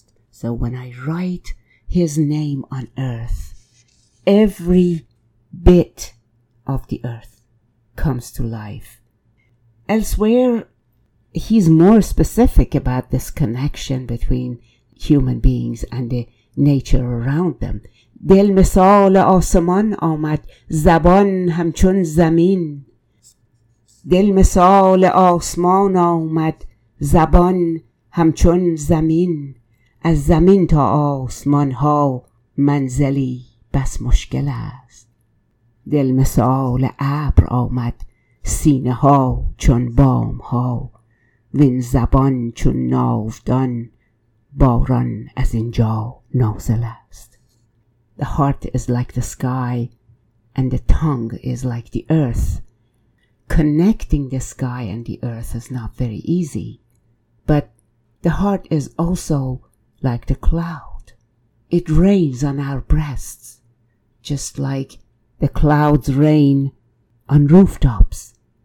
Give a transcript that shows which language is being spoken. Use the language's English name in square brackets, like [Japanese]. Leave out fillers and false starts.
[English] So when I write his name on earth, every bit of the earth comes to life. Elsewhere, he's more specific about this connection between human beings and the nature around them. [Persian] دل مثال آسمان آمد زبان همچون زمین. دل مثال آسمان آمد زبان همچون زمین. از زمین تا آسمان ها منزلی بس مشکل است. دل مثال ابر آمد سینه ها چون بام ها. وین زبان چون ناودان باران از اینجا نازل است. [English] The heart is like the sky and the tongue is like the earth. Connecting the sky and the earth is not very easy, but the heart is also like the cloud. It rains on our breasts, just like the clouds rain on rooftops.